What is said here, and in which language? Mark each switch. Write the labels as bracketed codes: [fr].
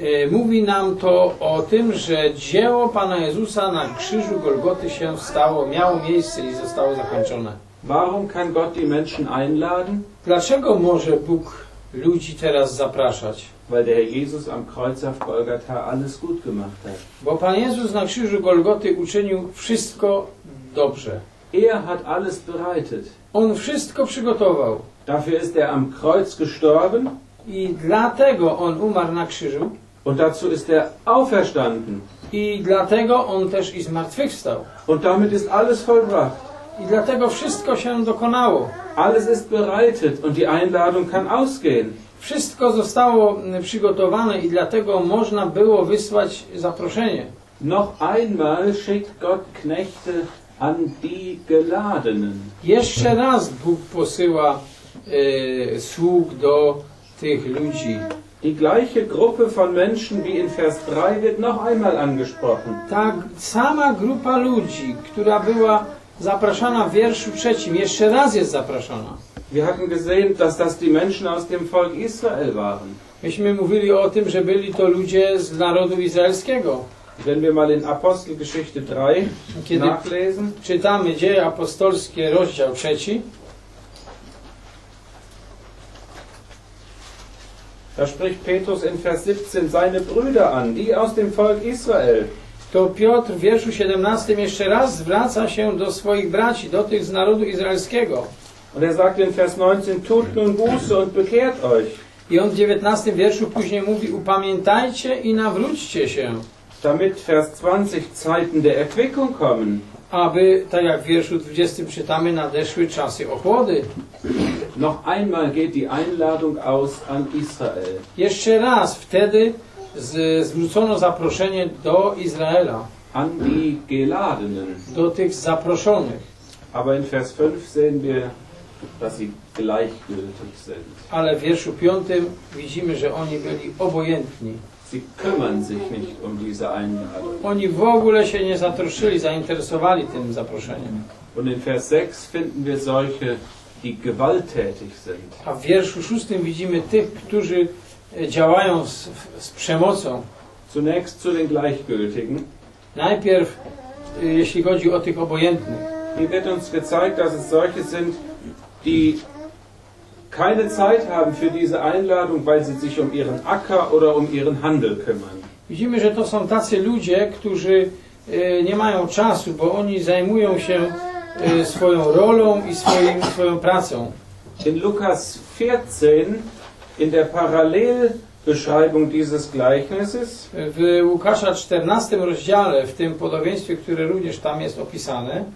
[pl] Mówi nam to o tym, że dzieło Pana Jezusa na krzyżu Golgoty się stało, miało miejsce i zostało zakończone. [de] Warum kann Gott die Menschen einladen? [pl] Dlaczego może Bóg ludzi teraz zapraszać? [de] Weil der Herr Jesus am Kreuz auf Golgatha alles gut gemacht hat. [pl] Bo Pan Jezus na krzyżu Golgoty uczynił wszystko dobrze. [de] Er hat alles bereitet. [pl] On wszystko przygotował. [de] Dafür ist er am Kreuz gestorben. [pl] I dlatego on umarł na krzyżu. [de] Und dazu ist er auferstanden. [pl] I dlatego on też i zmartwychwstał. [de] Und damit ist alles vollbracht. [pl] I dlatego wszystko się dokonało. [de] Alles ist bereitet und die Einladung kann ausgehen. [pl] Wszystko zostało przygotowane i dlatego można było wysłać zaproszenie. [de] Noch einmal schickt Gott Knechte an die Geladenen. [pl] Jeszcze raz Bóg posyła sług do tych ludzi. [de] Die gleiche Gruppe von Menschen wie in Vers 3 wird noch einmal angesprochen. [pl] Ta sama grupa ludzi, która była zapraszana w wierszu trzecim, jeszcze raz jest zapraszana. [de] Wir hatten gesehen, dass das die Menschen aus dem Volk Israel waren. [pl] Myśmy mówili o tym, że byli to ludzie z narodu izraelskiego. [de] Wenn wir mal in Apostelgeschichte 3 [pl] kiedy [de] nachlesen. [pl] Czytamy Dzieje Apostolskie, rozdział trzeci. [de] Da spricht Petrus in Vers 17 seine Brüder an, die aus dem Volk Israel. [pl] To Piotr w wierszu 17 jeszcze raz zwraca się do swoich braci, do tych z narodu izraelskiego. [de] Und er sagt in Vers 19, tut nun Buße und bekehrt euch. [pl] I on w 19 wierszu później mówi, upamiętajcie i nawróćcie się. [de] Damit Vers 20 Zeiten der Erquickung kommen. [pl] Aby, tak jak w wierszu 20 czytamy, nadeszły czasy ochłody. [de] Noch einmal geht die Einladung aus an Israel. [pl] Jeszcze raz wtedy zwrócono zaproszenie do Izraela. [de] An die Geladenen. [pl] Do tych zaproszonych. [de] Aber in Vers 5 sehen wir, dass sie gleichgültig sind. [pl] Ale w wierszu 5 widzimy, że oni byli obojętni. [de] Sie kümmern sich nicht um diese Einladung. [pl] Oni w ogóle się nie zatroszczyli, zainteresowali tym zaproszeniem. [de] Und in Vers 6 finden wir solche, die gewalttätig sind. [pl] A w wierszu 6 widzimy tych, którzy działają z przemocą. [de] Zunächst zu den Gleichgültigen. [pl] Najpierw, jeśli chodzi o tych obojętnych. [de] Hier wird uns gezeigt, dass es solche sind, die keine Zeit haben für diese Einladung, weil sie sich um ihren Acker oder um ihren Handel kümmern. [pl] Widzimy, że to są tacy ludzie, którzy nie mają czasu, bo oni zajmują się swoją rolą i swoją pracą. [de] In Lukas 14, in der Parallelbeschreibung dieses Gleichnisses, [pl] w Łukasza 14 rozdziale, w tym podobieństwie, które również tam jest opisane,